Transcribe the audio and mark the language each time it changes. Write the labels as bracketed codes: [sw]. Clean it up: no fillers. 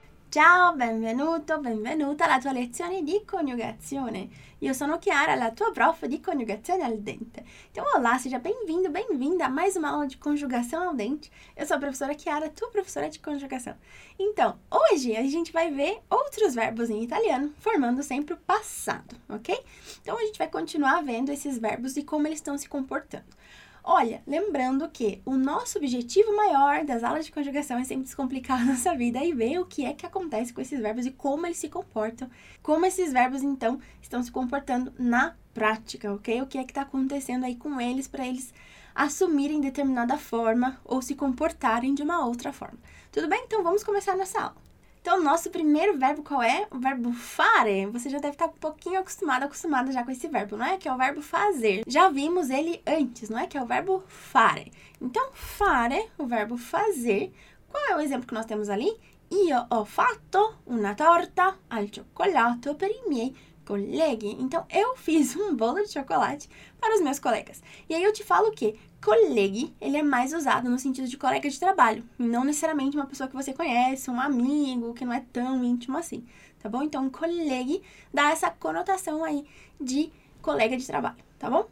[it] Ciao, benvenuto, benvenuta alla tua lezione di coniugazione. Io sono Chiara, la tua prof di coniugazione al dente. [pt] Então, olá, seja bem-vindo, bem-vinda a mais uma aula de conjugação ao dente. Eu sou a professora Chiara, tua professora de conjugação. Então, hoje a gente vai ver outros verbos em italiano, formando sempre o passado, ok? Então, a gente vai continuar vendo esses verbos e como eles estão se comportando. Olha, lembrando que o nosso objetivo maior das aulas de conjugação é sempre descomplicar a nossa vida e ver o que é que acontece com esses verbos e como eles se comportam, como esses verbos então estão se comportando na prática, ok? O que é que está acontecendo aí com eles para eles assumirem determinada forma ou se comportarem de uma outra forma. Tudo bem? Então vamos começar nossa aula. Então, nosso primeiro verbo qual é? O verbo fare. Você já deve estar um pouquinho acostumada já com esse verbo, não é? Que é o verbo fazer. Já vimos ele antes, não é? Que é o verbo fare. Então, fare, o verbo fazer. Qual é o exemplo que nós temos ali? [it] Io ho fatto una torta al cioccolato per i miei colleghi. [pt] Então, eu fiz um bolo de chocolate para os meus colegas. E aí eu te falo que colleague, ele é mais usado no sentido de colega de trabalho, não necessariamente uma pessoa que você conhece, um amigo que não é tão íntimo assim, tá bom? Então, colleague dá essa conotação aí de colega de trabalho, tá bom?